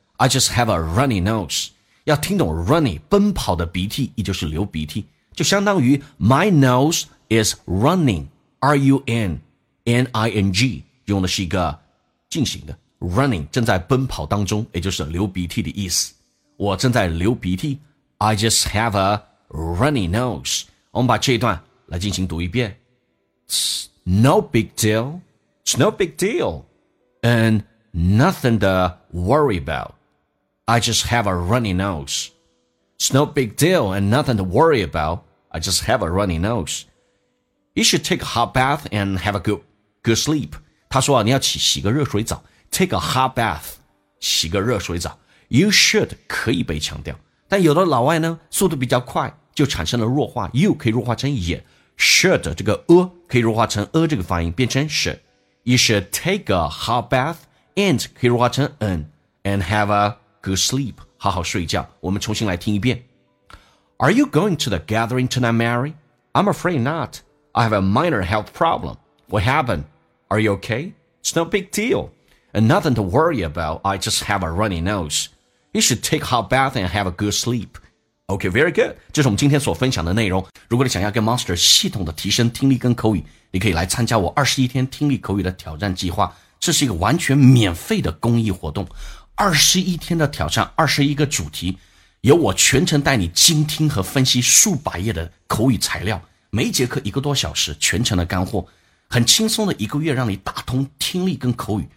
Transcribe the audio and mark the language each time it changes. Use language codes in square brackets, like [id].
[en] I just have a runny nose, [zh] 要听懂 runny, 奔跑的鼻涕，也就是流鼻涕，就相当于 [en] my nose is running, [zh] R-U-N-N-I-N-G, 用的是一个进行的 running, 正在奔跑当中，也就是流鼻涕的意思。我正在流鼻涕， [en] I just have a runny nose. [zh] 我们把这一段来进行读一遍。 [en] It's no big deal, it's no big deal, and nothing to worry about. I just have a runny nose. It's no big deal and nothing to worry about. I just have a runny nose. You should take a hot bath and have a good sleep. [zh] 他说、啊、你要去洗个热水澡。 [en] Take a hot bath. [zh] 洗个热水澡。 [en] You should [zh] 可以被强调。但有的老外呢速度比较快就产生了弱化。 You 可以弱化成也。Should 这个 a 可以弱化成 a 这个发音变成 should. [en] You should take a hot bath and [zh] 可以弱化成 [en] an and have a,Good sleep, [zh] 好好睡觉。我们重新来听一遍。 [en] Are you going to the gathering tonight, Mary? I'm afraid not. I have a minor health problem. What happened? Are you okay? It's no big deal. And nothing to worry about. I just have a runny nose. You should take a hot bath and have a good sleep. Okay, very good. [zh] 这是我们今天所分享的内容。如果你想要跟 Monster 系统的提升听力跟口语，你可以来参加我21天听力口语的挑战计划。这是一个完全免费的公益活动。21天的挑战21个主题，由我全程带你精听和分析数百页的口语材料，每一节课一个多小时，全程的干货，很轻松的一个月让你打通听力跟口语。